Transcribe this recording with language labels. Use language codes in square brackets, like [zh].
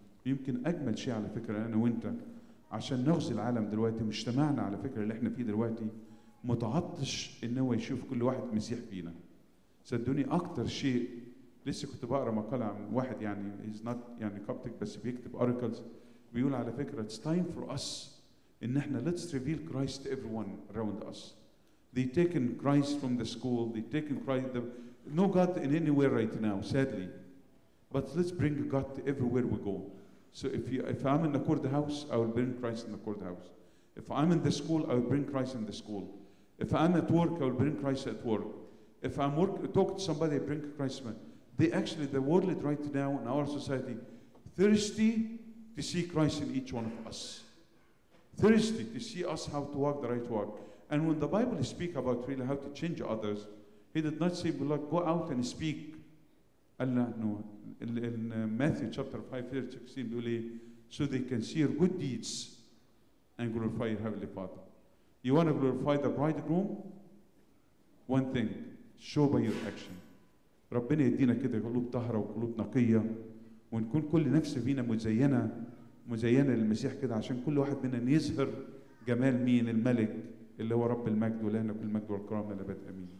[ar] يمكن أجمل شيء على فكرة أنا وأنت عشان نغزي العالم دلوقتي مجتمعنا على فكرة اللي إحنا فيه دلوقتي متعطش إن هو يشوف كل واحد مسيح فينا. صدقني أكتر شيء لسه كنت بقرأ مقالة عن واحد يعني [en] he's not [ar] يعني كابتك بس بيكتب [en] articles [ar] بيقول على فكرة [en] it's time for us [ar] إن إحنا [en] let's reveal Christ to everyone around us. They've taken Christ from the school. They've taken Christ. No God in anywhere right now, sadly. But let's bring God to everywhere we go. So if I'm in the courthouse, I will bring Christ in the courthouse. If I'm in the school, I will bring Christ in the school. If I'm at work, I will bring Christ at work. If I'm talking to somebody, I bring Christ. They actually, the world right now in our society, thirsty to see Christ in each one of us. Thirsty to see us how to walk the right walk. And when the Bible speaks about really how to change others, he did not say, well, go out and speak. Allah, no. In Matthew chapter 5, verse 16, so they can see your good deeds and glorify your Heavenly Father. You want to glorify the bridegroom? One thing, show by your action. [ar] ربنا يدينا كده قلوب طهرة وقلوب نقية ونكون كل نفس فينا مزينة للمسيح كده عشان كل واحد منا يظهر جمال مين الملك اللي هو رب المجد ولهنا كل المجد والكرامة لابد أمين.